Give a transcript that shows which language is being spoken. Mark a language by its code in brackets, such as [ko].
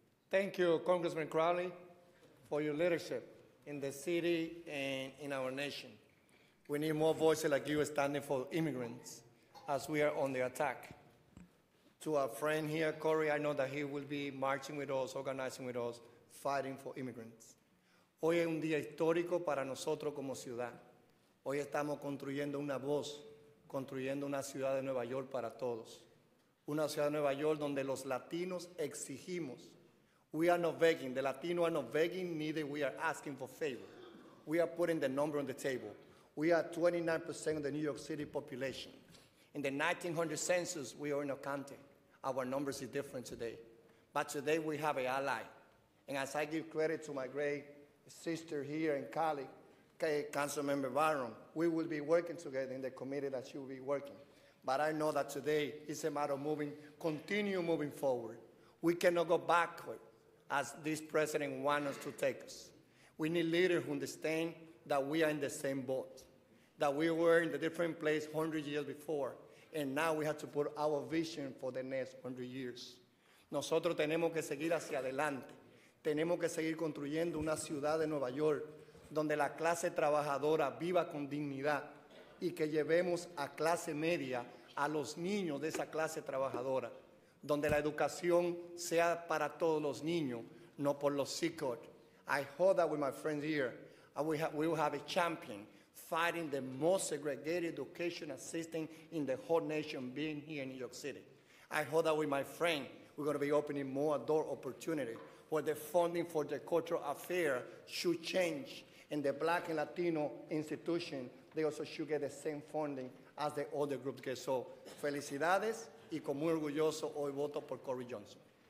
[en] Thank you, Congressman Crowley, for your leadership in the city and in our nation. We need more voices like you standing for immigrants as we are on the attack. To our friend here, Corey, I know that he will be marching with us, organizing with us, fighting for immigrants. [es] Hoy es un día histórico para nosotros como ciudad. Hoy estamos construyendo una voz, construyendo una ciudad de Nueva York para todos. Una ciudad de Nueva York donde los latinos exigimos. [en] We are not begging. The Latinos are not begging, neither we are asking for favor. We are putting the number on the table. We are 29% of the New York City population. In the 1900 census, we are in a county. Our numbers are different today. But today we have an ally. And as I give credit to my great sister here and colleague, Councilmember Barron, we will be working together in the committee that she will be working. But I know that today is a matter of continue moving forward. We cannot go backward as this president wants us to take us. We need leaders who understand that we are in the same boat, that we were in the different place 100 years before, and now we have to put our vision for the next 100 years. [es] Nosotros tenemos que seguir hacia adelante. Tenemos que seguir construyendo una ciudad de Nueva York donde la clase trabajadora viva con dignidad y que llevemos a clase media a los niños de esa clase trabajadora, donde la educación sea para todos los niños, no por los sicos. [en] I hope that with my friends here, we will have a champion fighting the most segregated education system in the whole nation being here in New York City. I hope that with my friend, we're gonna be opening more door opportunity where the funding for the cultural affair should change. And the Black and Latino institution, they also should get the same funding as the other groups get. [es] So, felicidades, y con muy orgulloso hoy voto por Corey Johnson.